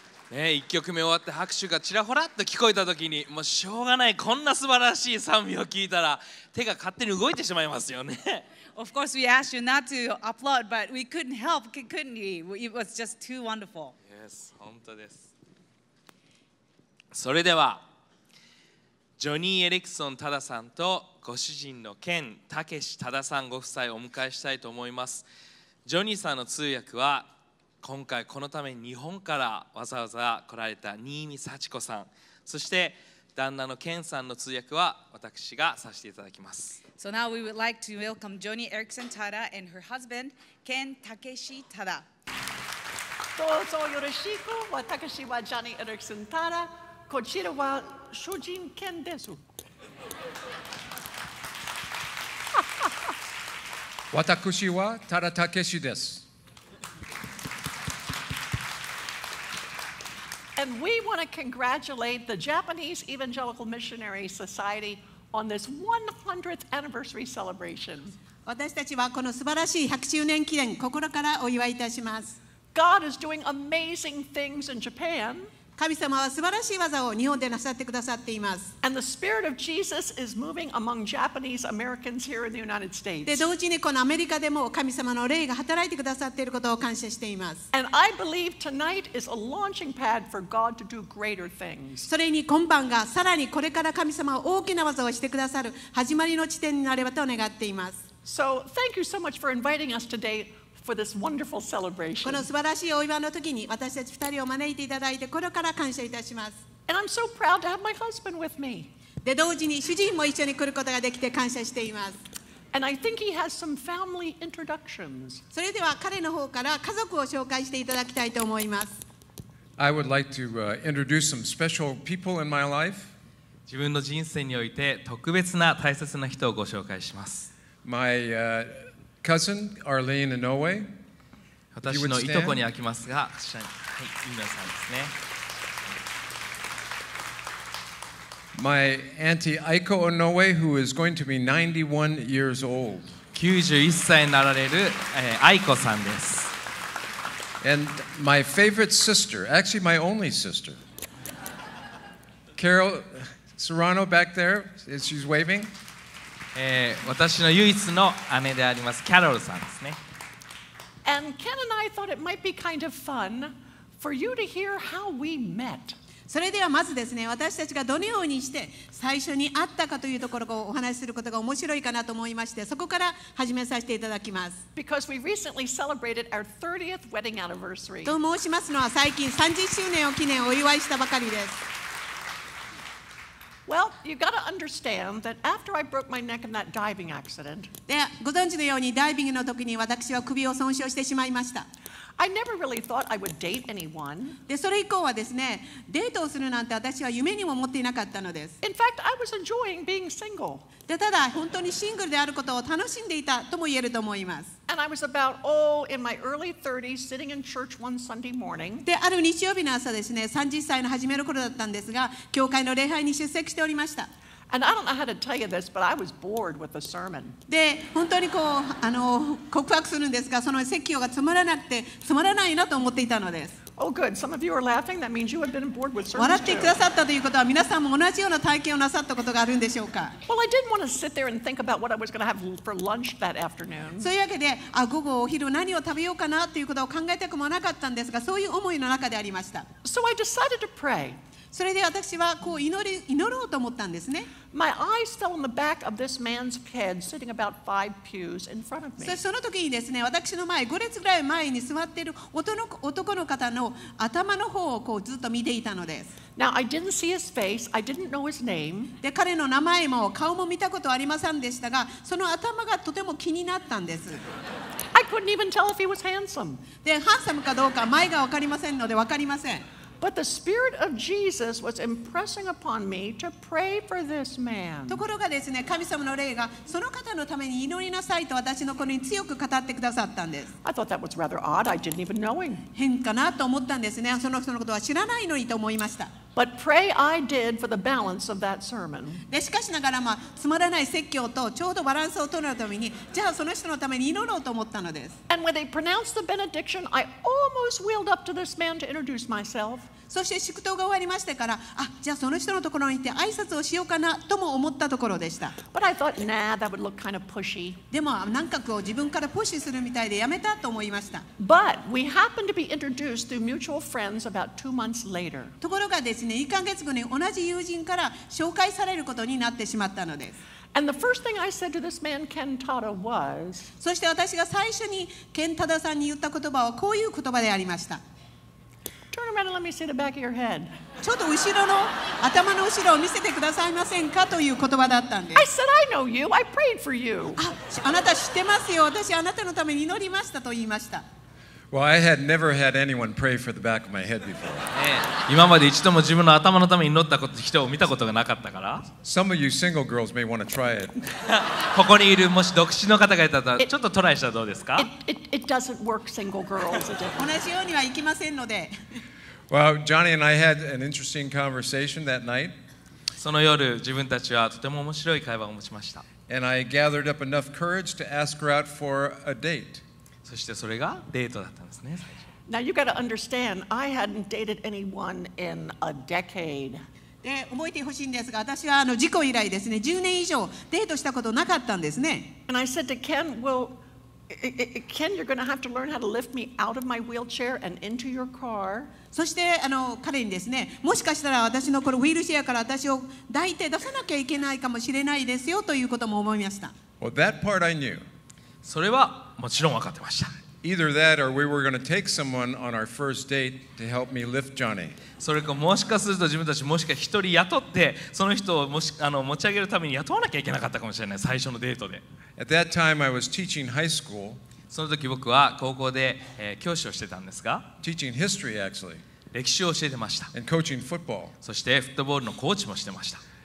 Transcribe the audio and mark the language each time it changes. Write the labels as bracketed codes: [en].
[ja] ね、一曲目終わって拍手がちらほらっと聞こえた時に、もうしょうがない、こんな素晴らしい賛美を聞いたら手が勝手に動いてしまいますよね。 [en] Of course, we asked you not to applaud, but we couldn't help, couldn't we? It was just too wonderful. Yes, [ja] 本当です。それでは、ジョニー・エリクソン・タダさんとご主人のケン・タケシ・タダさんご夫妻をお迎えしたいと思います。ジョニーさんの通訳は、今回このために日本からわざわざ来られた新見幸子さん、そして旦那のケンさんの通訳は私がさせていただきます。 [en] So now we would like to welcome Joni Erickson Tada and her husband, Ken Takeshi Tada. [ja] どうぞよろしく。私はジョニー・エリクソン・タダ。こちらは主人ケンです。私はタダ・タケシです。 [en] And we want to congratulate the Japanese Evangelical Missionary Society on this 100th anniversary celebration. [ja] 私たちはこの素晴らしい100周年記念心からお祝いいたします。 [en] God is doing amazing things in Japan. [ja] 神様は素晴らしい技を日本でなさってくださっています。 [en] And the spirit of Jesus is moving among Japanese Americans here in the United States. [ja] で、同時にこのアメリカでも神様の霊が働いてくださっていることを感謝しています。 [en] And I believe tonight is a launching pad for God to do greater things. [ja] それに今晩がさらにこれから神様は大きな技をしてくださる始まりの地点になればと願っています。 [en] So thank you so much for inviting us today. For this wonderful celebration. [ja] この素晴らしいお祝いの時に私たち二人を招いていただいて心から感謝いたします。 [en] And I'm so proud to have my husband with me. [ja] で同時に主人も一緒に来ることができて感謝しています。 [en] And I think he has some family introductions. [ja] それでは彼の方から家族を紹介していただきたいと思います。 [en] I would like to introduce some special people in my life. [ja] 自分の人生において特別な大切な人をご紹介します。 [en] Cousin Arlene Inoue. [ja] 私のいとこに開きますが、はい、井上さんですね。 [en] My auntie Aiko Inoue, who is going to be 91 years old. [ja] 91歳になられる、Aiko さんです。 [en] And my favorite sister, actually my only sister, Carol Serrano back there, she's waving. [ja] 私の唯一の姉であります、キャロルさんですね。 [en] And Ken and I thought it might be kind of fun for you to hear how we met. [ja] それではまずですね、私たちがどのようにして最初に会ったかというところをお話しすることが面白いかなと思いまして、そこから始めさせていただきます。 [en] Because we recently celebrated our 30th wedding anniversary. [ja] と申しますのは、最近30周年を記念お祝いしたばかりです。 [en] Well, you got to understand that after I broke my neck in that diving accident. [ja] Yeah, ご存知のようにダイビングの時に私は首を損傷してしまいました。 [en] I never really thought I would date anyone. [ja] で、それ以降はですね、デートをするなんて私は夢にも思っていなかったのです。 [en] In fact, I was enjoying being single. [ja] で、ただ本当にシングルであることを楽しんでいたとも言えると思います。 [en] And I was about, oh, in my early 30s, sitting in church one Sunday morning. [ja] で、ある日曜日の朝ですね、30歳の始める頃だったんですが、教会の礼拝に出席しておりました。 [en] And I don't know how to tell you this, but I was bored with the sermon. [ja] で、本当にこう、告白するんですが、その説教がつまらなくて、つまらないなと思っていたのです。 [en] Oh, good. Some of you are laughing. That means you have been bored with sermons too. [ja] 笑ってくださったということは、皆さんも同じような体験をなさったことがあるんでしょうか。 [en] Well, I didn't want to sit there and think about what I was going to have for lunch that afternoon. [ja] そういうわけで、あ、午後お昼何を食べようかなということを考えたくもなかったんですが、そういう思いの中でありました。 [en] So I decided to pray. [ja] それで私はこう祈ろうと思ったんですね。 [en] My eyes fell on the back of this man's head, sitting about five pews in front of me. [ja] その時にですね、私の前、5列ぐらい前に座っている男の方の頭の方をこうずっと見ていたのです。 [en] Now, I didn't see his face. I didn't know his name. [ja] で、彼の名前も顔も見たことありませんでしたが、その頭がとても気になったんです。 [en] I couldn't even tell if he was handsome. [ja] で、ハンサムかどうか前が分かりませんので分かりません。 [en] But the Spirit of Jesus was impressing upon me to pray for this man. [ja] ところがですね、神様の霊がその方のために祈りなさいと私の心に強く語ってくださったんです。 [en] I thought that was rather odd. I didn't even know him. [ja] 変かなと思ったんですね。その人のことは知らないのにと思いました。 [en] But pray I did for the balance of that sermon. [ja] で、しかしながら、まあ、つまらない説教とちょうどバランスを取るために、じゃあその人のために祈ろうと思ったのです。 [en] And when they pronounced the benediction, I almost wheeled up to this man to introduce myself. [ja] そして祝祷が終わりましてから、あ、じゃあその人のところに行って挨拶をしようかなとも思ったところでした。 [en] But I thought, nah, that would look kind of pushy. [ja] でも、なんかこう自分からプッシュするみたいでやめたと思いました。 [en] But we happened to be introduced through mutual friends about 2 months later. [ja] ところがですね、1ヶ月後に同じ友人から紹介されることになってしまったのです。 [en] And the first thing I said to this man, Ken Tada, was... [ja] そして私が最初にケンタダさんに言った言葉はこういう言葉でありました。 [en] Turn around and let me see the back of your head. [ja] ちょっと後ろの頭の後ろを見せてくださいませんかという言葉だったんです。 [en] I said I know you. I prayed for you. [ja] あなた知ってますよ。私あなたのために祈りましたと言いました。 [en] Well, I had never had anyone pray for the back of my head before. [ja] 今まで一度も自分の頭のために祈った人を見たことがなかったから。 [en] Some of you single girls may want to try it. [ja] ここにいるもし独身の方がいたら、ちょっとトライしたらどうですか？ [en] It doesn't work, single girls. [ja] 同じようにはいきませんので。 [en] Well, Johnny and I had an interesting conversation that night. [ja] その夜、自分たちはとても面白い会話を持ちました。 [en] And I gathered up enough courage to ask her out for a date. [ja] そしてそれがデートだったんですね。 [en] Now you got to understand, I hadn't dated anyone in a decade. [ja] で覚えてほしいんですが、私は事故以来ですね、10年以上デートしたことなかったんですね。 [en] And I said to Ken, well, Ken, you're going to have to learn how to lift me out of my wheelchair and into your car. [ja] そして彼にですね、もしかしたら私のこのウィルチェアから私を抱いて出さなきゃいけないかもしれないですよということも思いました。 [en] Well, that part I knew. [ja] それはもちろん分かってました。 [en] Either that or we were going to take someone on our first date to help me lift Johnny. [ja] それかもしかすると自分たちもしか一人雇ってその人をもし持ち上げるために雇わなきゃいけなかったかもしれない最初のデートで。 [en] At that time I was teaching high school. [ja] その時僕は高校で、教師をしてたんですが。 [en] Teaching history actually. [ja] 歴史を教えてました。 [en] And coaching football. [ja] そしてフットボールのコーチもしてました。